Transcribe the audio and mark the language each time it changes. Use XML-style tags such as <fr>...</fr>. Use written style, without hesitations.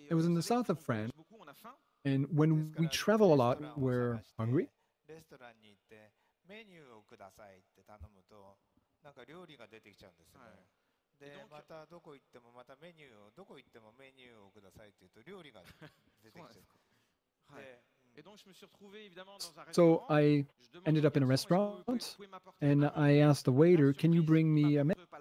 <en>It was in the south of France, and when we travel a lot, we're hungry.</en> <ja>レストランに行ってメニューをくださいって頼むと、なんか料理が出てきちゃうんですよね。でまたどこ行ってもまたメニューをどこ行ってもメニューをくださいって言うと料理が出てきちゃう。はい。</ja> <en>So I ended up in a restaurant and I asked the waiter, can you bring me a menu?</en>